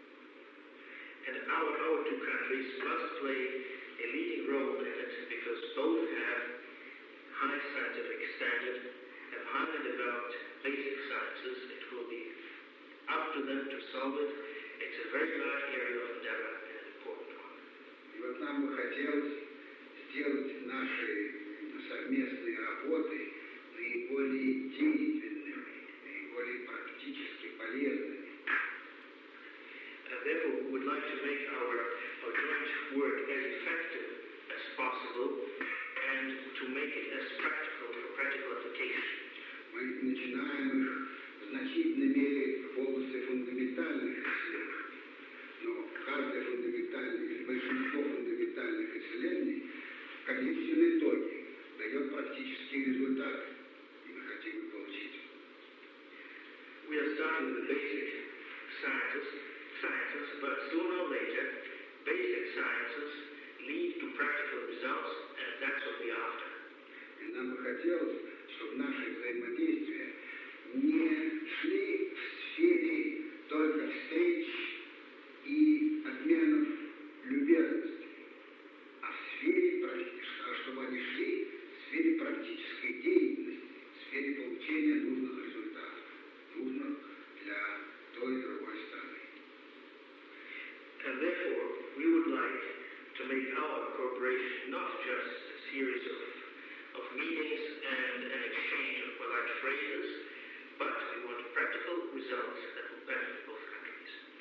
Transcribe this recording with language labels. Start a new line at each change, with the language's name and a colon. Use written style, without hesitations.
English: And our two countries must play a leading role in it because both have high scientific standard and highly developed basic sciences. It will be up to them to solve it. It's a very large area of endeavor and an important one.
Russian: И вот нам бы хотелось сделать наши совместные работы наиболее действенными, наиболее практически полезными.
English: And therefore, we would like to make our joint work as effective as possible and to make it as practical for practical application.
Russian: Мы начинаем в значительной мере в области фундаментальных исследований. Но каждое фундаментальное, большинство фундаментальных исследований в конечном итоге дает практические результаты, и мы хотим их получить.
English: We are starting with the basic sciences, but sooner or later, basic sciences lead to practical results, and that's what we are after.
Russian: И нам бы хотелось, чтобы наши взаимодействия не шли в сфере только встреч и обменов любезностей, а в сфере практической, чтобы они шли в сфере практической деятельности, в сфере получения нужных результатов, нужных для той и другой страны.
English: And therefore, we would like to make our cooperation not just a series of meetings and an exchange of polite phrases, but we want practical results that will benefit both countries.